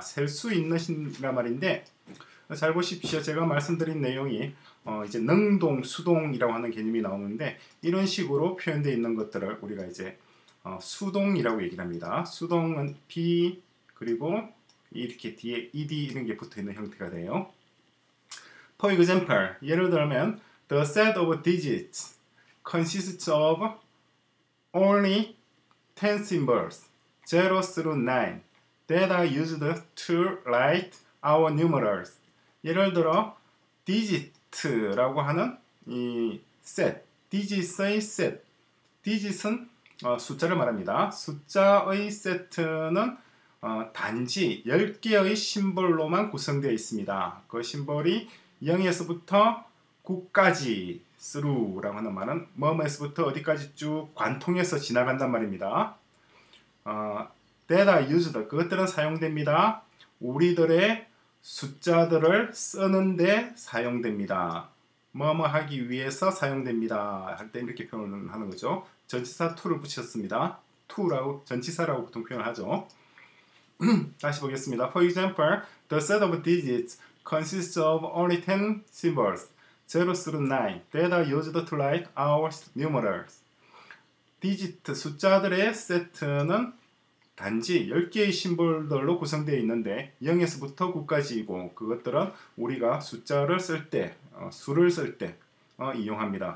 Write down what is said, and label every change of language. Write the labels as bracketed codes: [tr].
[ko] 셀 수 있는 이란 말인데, 잘 보십시오. 제가 말씀드린 내용이 이제 능동, 수동이라고 하는 개념이 나오는데, 이런 식으로 표현되어 있는 것들을 우리가 이제 수동이라고 얘기를 합니다. 수동은 be 그리고 이렇게 뒤에 ed 이런 게 붙어 있는 형태가 돼요. [en] For example, [ko] 예를 들면 [en] the set of digits consists of only 10 symbols, 0 through 9, that are used to write our numerals. [ko] 예를 들어, digit라고 하는 이 set, digit의 set. digit은 숫자를 말합니다. 숫자의 set는 단지 10개의 심볼로만 구성되어 있습니다. 그 심볼이 0에서부터 9까지 through라고 하는 말은 뭐뭐에서부터 어디까지 쭉 관통해서 지나간단 말입니다. [en] that are used, [ko] 그것들은 사용됩니다. 우리들의 숫자들을 쓰는 데 사용됩니다. 뭐뭐 하기 위해서 사용됩니다. 할 때 이렇게 표현을 하는 거죠. 전치사 to를 붙였습니다. to라고, 전치사라고 보통 표현을 하죠. 다시 보겠습니다. [en] For example, the set of digits consists of only 10 symbols. 0 through 9. That are used to write our numerals. [ko] digit 숫자들의 세트는 단지 10개의 심볼들로 구성되어 있는데 0에서부터 9까지이고 그것들은 우리가 숫자를 쓸 때, 수를 쓸 때 이용합니다.